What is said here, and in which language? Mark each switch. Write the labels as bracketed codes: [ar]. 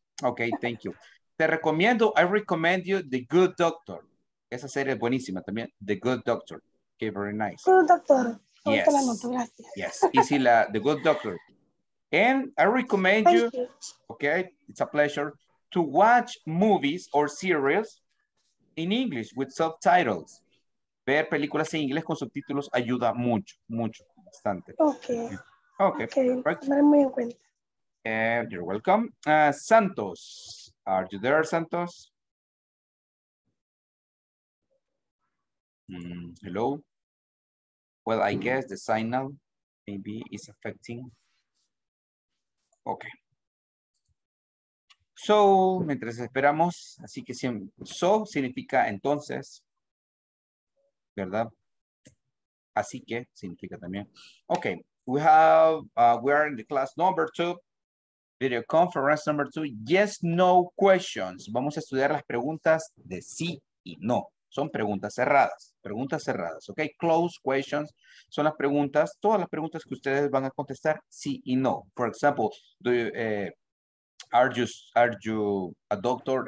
[en] okay, thank you. [es] Te recomiendo, [en] I recommend you The Good Doctor. [es] Esa serie es buenísima también. [en] The Good Doctor. Okay, very nice. Good Doctor. Yes. Yes. [es] Y si la, [en] the Good Doctor. And I recommend you, okay, it's a pleasure, to watch movies or series in English with subtitles. [es] Ver películas en inglés con subtítulos ayuda mucho, mucho, bastante. [en] Okay. Okay. [es] Okay. Right. Tomaré muy en cuenta. [en] You're welcome. Santos, are you there, Santos? Hello. Well, I guess the signal maybe is affecting. Okay. [es] So, mientras esperamos, así que so significa entonces, ¿verdad? Así que significa también. [en] Okay, we have, we are in the class number two. Video conference number two, yes, no questions. [es] Vamos a estudiar las preguntas de sí y no. Son preguntas cerradas, ok. [en] Closed questions [es] son las preguntas, todas las preguntas que ustedes van a contestar, sí y no. [en] For example, do you, are you a doctor?